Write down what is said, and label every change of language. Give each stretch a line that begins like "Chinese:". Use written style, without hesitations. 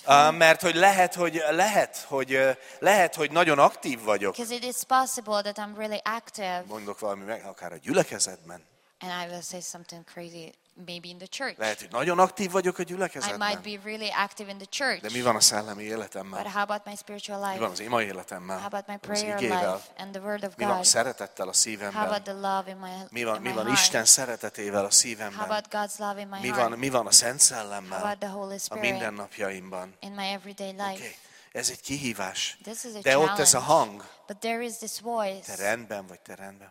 Hungarian: mert hogy lehet, hogy nagyon aktív vagyok.
English: Because it is possible that I'm really active.
Hungarian: Mondok valami meg, akár a gyülekezetben.
English: And I will say something crazy, maybe in the church.
Hungarian: Lehet, hogy nagyon aktív vagyok a gyülekezetben.
English: I might be really active in the church.
Hungarian: De mi van a szellemi életemmel?
English: But how about my spiritual life?
Hungarian: Mi van az ima életemmel?
English: How about my prayer life and the word of God?
Hungarian: Mi van a szeretettel a szívemben?
English: How about the love in my heart?
Hungarian: Mi van Isten szeretetével a szívemben?
English: How about God's love in my heart?
Hungarian: Mi van a Szent Szellemmel?
English: How about the Holy Spirit?
Hungarian: A mindennapjaimban.
English: In my everyday life.
Hungarian: Okay. Ez egy kihívás.
English: This is a
Hungarian: de
English: challenge.
Hungarian: Ott ez a hang.
English: But there is this voice.
Hungarian: Te rendben vagy, te rendben.